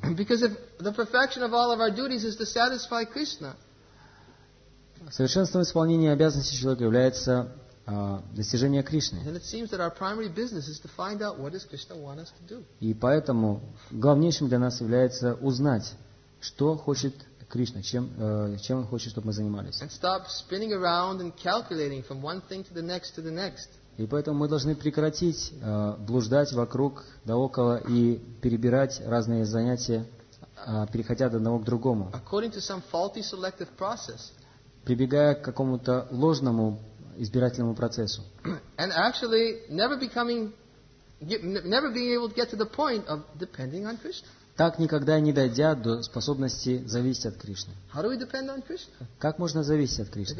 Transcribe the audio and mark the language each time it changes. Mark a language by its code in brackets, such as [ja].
[en] Because if the perfection of all of our duties is to satisfy Krishna, [ru] совершенством исполнения обязанностей человека является достижение Кришны. [en] And it seems that our primary business is to find out what does Krishna want us to do. [ru] И поэтому главнейшим для нас является узнать, что хочет Кришна, чем он хочет, чтобы мы занимались. [en] And stop spinning around and calculating from one thing to the next to the next. [ru] И поэтому мы должны прекратить блуждать вокруг да около и перебирать разные занятия, переходя от одного к другому. [en] According to some faulty selective process, [ru] прибегая к какому-то ложному избирательному процессу. [en] And actually never being able to get to the point of depending on Krishna. [ru] Так никогда не дойдя до способности зависеть от Кришны. [en] How do we depend on Krishna? [ru] Как можно зависеть от Кришны?